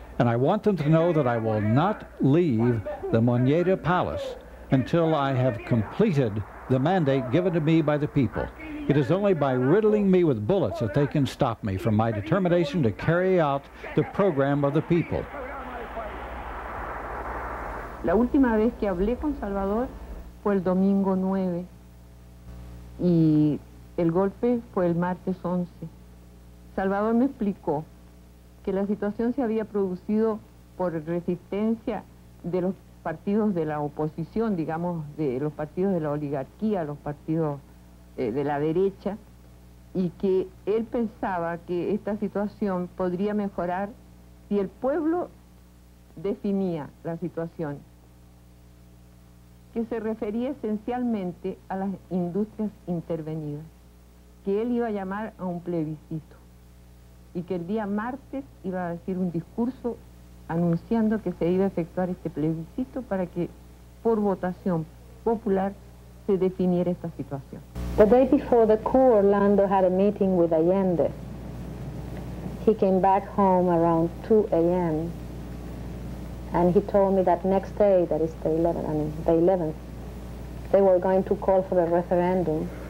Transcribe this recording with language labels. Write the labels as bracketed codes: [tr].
[en] And I want them to know that I will not leave the Moneda Palace until I have completed the mandate given to me by the people. It is only by riddling me with bullets that they can stop me from my determination to carry out the program of the people. [es] La última vez que hablé con Salvador fue el domingo 9 y el golpe fue el martes 11. Salvador me explicó que la situación se había producido por resistencia de los partidos de la oposición, digamos, de los partidos de la oligarquía, los partidos de la derecha, y que él pensaba que esta situación podría mejorar si el pueblo definía la situación, que se refería esencialmente a las industrias intervenidas, que él iba a llamar a un plebiscito, y que el día martes iba a decir un discurso anunciando que se iba a efectuar este plebiscito para que, por votación popular, se definiera esta situación. [en] The day before the coup, Orlando had a meeting with Allende. He came back home around 2 a.m. and he told me that next day, that is the 11th, they were going to call for a referendum.